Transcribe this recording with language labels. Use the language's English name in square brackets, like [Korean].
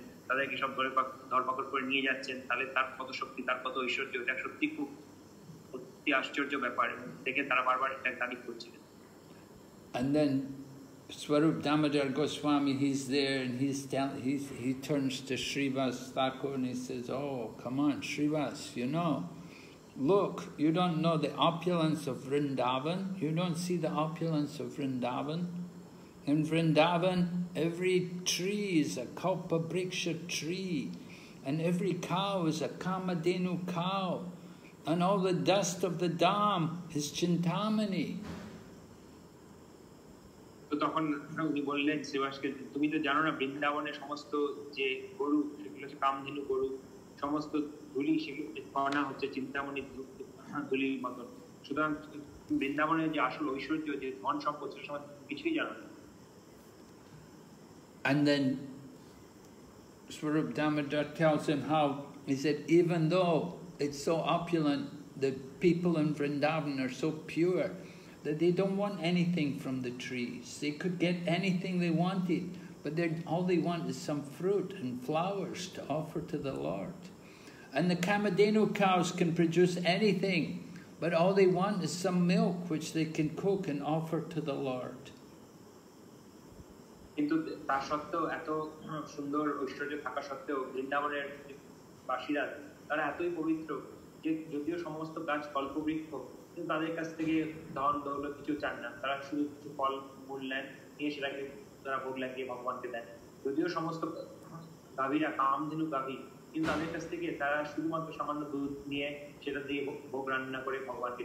[Bangla] তাদেরকে সব ধরে ধরপাকড় করে নিয়ে যাচ্ছেন, তাহলে তার কত শক্তি, তার কত ঐশ্বর্য, এটা সত্যি খুব অতি আশ্চর্য ব্যাপার দেখে তারা বারবার এটা দাবি করছিলেন। [English] And then Swarup Damodar Goswami, he's there and he turns to Srivas Thakur and he says, oh, come on, Srivas, you know, look, you don't know the opulence of Vrindavan. You don't see the opulence of Vrindavan. In Vrindavan, every tree is a Kalpa Briksha tree and every cow is a Kamadenu cow and all the dust of the Dham is Chintamani. [Bangla] তো তখন উনি বললেন শ্রীবাসকে, তুমি তো জানো না বৃন্দাবনের সমস্ত যে গরু সেগুলো হচ্ছে কামধেনু গরু, সমস্ত ধুলি সেগুলো হচ্ছে চিন্তামণি ধুলির মতন, সুতরাং বৃন্দাবনের যে আসল ঐশ্বর্য, যে ধন সম্পদ, সে সমস্ত কিছুই জানো না। [English] And then Swarup Damodar tells him how, he said, even though it's so opulent, the people in Vrindavan are so pure, that they don't want anything from the trees. They could get anything they wanted, but all they want is some fruit and flowers to offer to the Lord. And the Kamadenu cows can produce anything, but all they want is some milk which they can cook and offer to the Lord. [Bangla] কিন্তু তা সত্ত্বেও এত সুন্দর ঐশ্বর্য থাকা সত্ত্বেও বৃন্দাবনের বাসীরা তারা এতই পবিত্র যে যদিও সমস্ত গাছ অল্প বৃক্ষ কিন্তু তাদের কাছ থেকে ধন দৌলত কিছু চান না, তারা শুধু কিছু ফল মূল নেন, নিয়ে সেটাকে তারা বললেন গিয়ে ভগবানকে দেন, যদিও সমস্ত গাভীরা কামধেনু গাভী কিন্তু তাদের কাছ থেকে তারা শুধুমাত্র সামান্য দুধ নিয়ে সেটা দিয়ে ভোগ রান্না করে ভগবানকে